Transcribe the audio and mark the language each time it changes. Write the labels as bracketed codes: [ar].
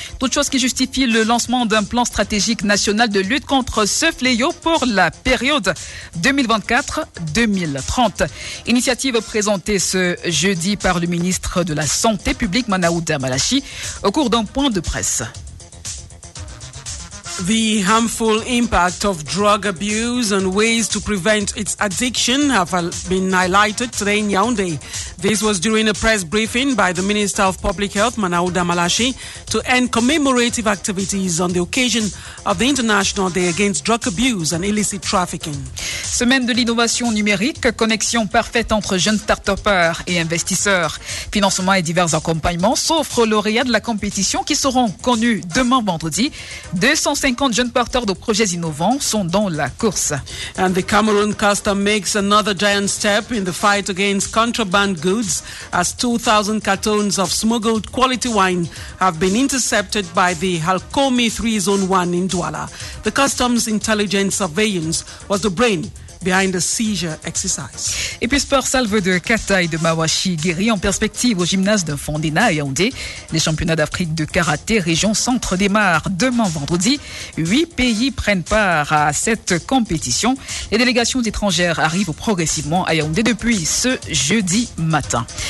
[fr] Toute chose qui justifie le lancement d'un plan stratégique national de lutte contre ce fléau pour la période 2024-2030. Initiative présentée ce jeudi par le ministre de la Santé publique, Manaouda Malachi, au cours d'un point de presse. [en] The harmful impact of drug abuse and ways to prevent its addiction have been highlighted today in Yaoundé. This was during a press briefing by the Minister of Public Health, Manaouda Malachi, to end commemorative activities on the occasion of the International Day Against Drug Abuse and Illicit Trafficking. [fr] Semaine de l'innovation numérique, connexion parfaite entre jeunes start-upers et investisseurs. Financement et divers accompagnements s'offrent aux lauréats de la compétition qui seront connus demain vendredi. 250 jeunes porteurs de projets innovants sont dans la course. [en] And the Cameroon Custom makes another giant step in the fight against contraband goods as 2,000 cartons of smuggled quality wine have been intercepted by the Halcomi 3 Zone 1 in Douala. The Customs Intelligence Surveillance was the brain behind the seizure exercise. [fr] Et puis sport salve de Kataï de Mawashi guéri en perspective au gymnase de Fondena à Yaoundé. Les championnats d'Afrique de karaté région centre démarrent demain vendredi. 8 pays prennent part à cette compétition. Les délégations étrangères arrivent progressivement à Yaoundé depuis ce jeudi matin.